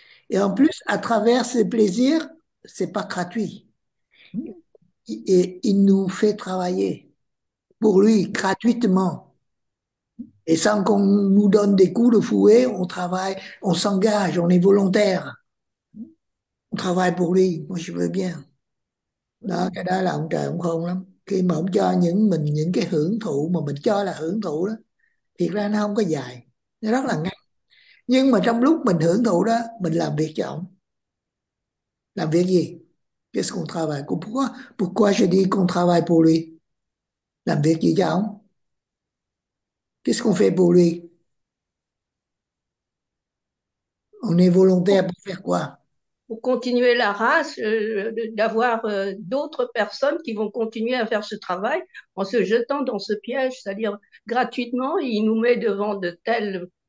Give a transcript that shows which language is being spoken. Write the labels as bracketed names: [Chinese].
[French] Et en plus, à travers ces plaisirs, c'est pas gratuit. Et il nous fait travailler pour lui gratuitement. Et sans qu'on nous donne des coups de fouet, on travaille, on s'engage, on est volontaire. On travaille pour lui, moi je veux bien. [Vietnamese] Đó, cái đó là ông trời ông khôn lắm. Khi mà ông cho những cái hưởng thụ mà mình cho là hưởng thụ đó, thiệt ra nó không có dài, nó rất là ngắn. Nhưng mà trong lúc mình hưởng thụ đó, mình làm việc cho ông. Làm việc gì? [French] Qu'est-ce qu'on travaille? Pourquoi je dis qu'on travaille pour lui? [Vietnamese] Làm việc gì cho ông? [French] Qu'est-ce qu'on fait pour lui? On est volontaire pour faire quoi? Pour continuer la race, d'avoir d'autres personnes qui vont continuer à faire ce travail en se jetant dans ce piège, c'est-à-dire gratuitement, il nous met devant de tels